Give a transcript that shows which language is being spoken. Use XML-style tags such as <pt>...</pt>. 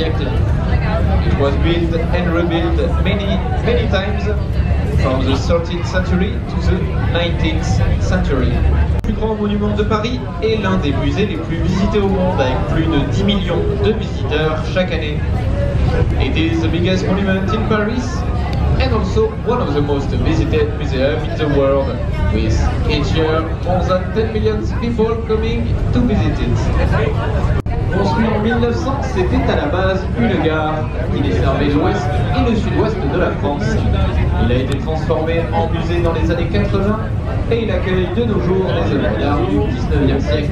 <en>It was built and rebuilt many times from the 13th century to the 19th century.</en> <fr>Le plus grand monument de Paris est l'un des musées les plus visités au monde avec plus de 10 millions de visiteurs chaque année.</fr> <en>It is the biggest monument in Paris and also one of the most visited museums in the world, with each year more than 10 million people coming to visit it.</en> <fr>Construit en 1900, c'était à la base une gare qui desservait l'ouest et le sud-ouest de la France. Il a été transformé en musée dans les années 80 et il accueille de nos jours les œuvres d'art du 19e siècle.</fr>